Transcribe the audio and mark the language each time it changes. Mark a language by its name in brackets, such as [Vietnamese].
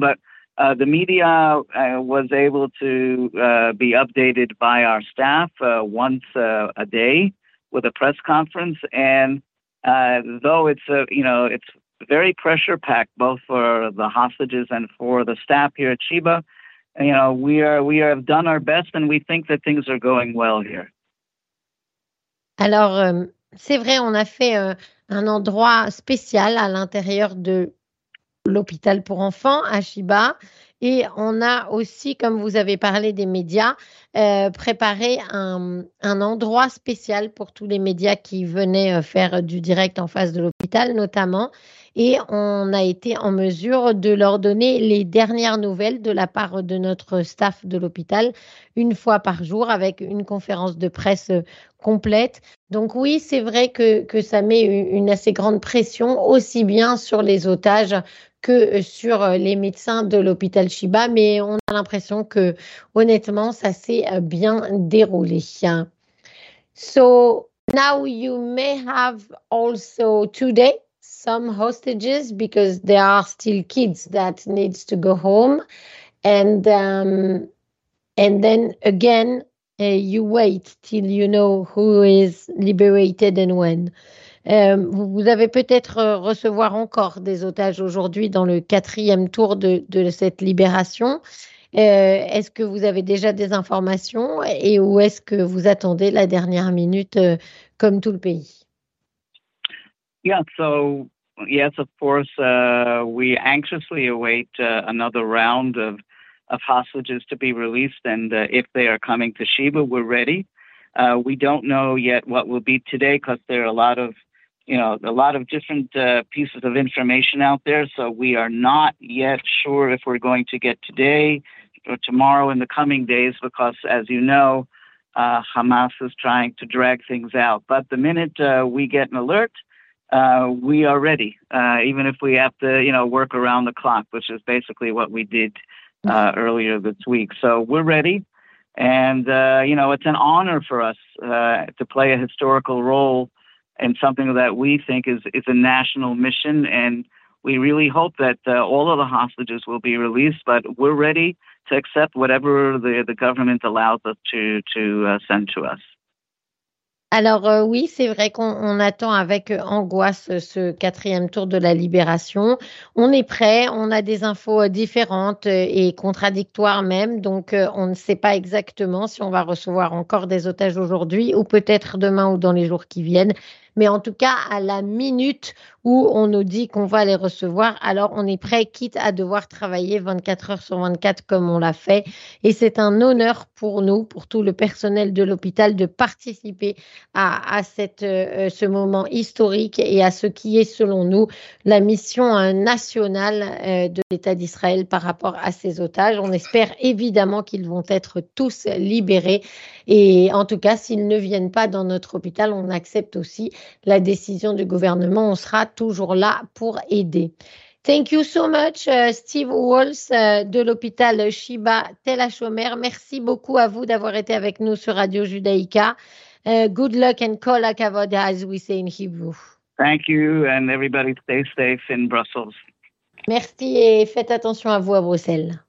[English] But the media was able to be updated by our staff once a day with a press conference. And though it's it's very pressure packed both for the hostages and for the staff here at Sheba, we have done our best and we think that things are going well here. [French] Alors, c'est vrai, on a fait un endroit spécial à l'intérieur de l'hôpital pour enfants à Sheba. Et on a aussi, comme vous avez parlé des médias, préparé un endroit spécial pour tous les médias qui venaient faire du direct en face de l'hôpital, notamment. Et on a été en mesure de leur donner les dernières nouvelles de la part de notre staff de l'hôpital, une fois par jour, avec une conférence de presse complète. Donc oui, c'est vrai que ça met une assez grande pression, aussi bien sur les otages que sur les médecins de l'hôpital Sheba, mais on a l'impression que, honnêtement, ça s'est bien déroulé. [English] So, now you may have also today some hostages because there are still kids that needs to go home. And then again, you wait till you know who is liberated and when. [French] Vous avez peut-être recevoir encore des otages aujourd'hui dans le quatrième tour de cette libération. Est-ce que vous avez déjà des informations et où est-ce que vous attendez la dernière minute comme tout le pays? [English] Yeah, so yes, of course, we anxiously await another round of hostages to be released, and if they are coming to Sheba, we're ready. We don't know yet what will be today because there are a lot of different pieces of information out there. So we are not yet sure if we're going to get today or tomorrow in the coming days because, as you know, Hamas is trying to drag things out. But the minute we get an alert, we are ready, even if we have to, work around the clock, which is basically what we did earlier this week. So we're ready. And, it's an honor for us to play a historical role and something that we think is a national mission. And we really hope that all of the hostages will be released, but we're ready to accept whatever the government allows us to send to us. [French] Alors oui, c'est vrai qu'on attend avec angoisse ce quatrième tour de la libération. On est prêt, on a des infos différentes et contradictoires même, donc on ne sait pas exactement si on va recevoir encore des otages aujourd'hui ou peut-être demain ou dans les jours qui viennent. Mais en tout cas, à la minute où on nous dit qu'on va les recevoir, alors on est prêt, quitte à devoir travailler 24 heures sur 24 comme on l'a fait. Et c'est un honneur pour nous, pour tout le personnel de l'hôpital, de participer à ce moment historique et à ce qui est, selon nous, la mission nationale de l'État d'Israël par rapport à ses otages. On espère évidemment qu'ils vont être tous libérés. Et en tout cas, s'ils ne viennent pas dans notre hôpital, on accepte aussi la décision du gouvernement, on sera toujours là pour aider. [English] Thank you so much, Steve Walls, [French] de l'hôpital [English] Sheba Tel HaShomer. [French] Merci beaucoup à vous d'avoir été avec nous sur Radio Judaïka. [English] Good luck and [Hebrew] kol hakavod, [English] as we say in Hebrew. Thank you and everybody stay safe in Brussels. [French] Merci et faites attention à vous à Bruxelles.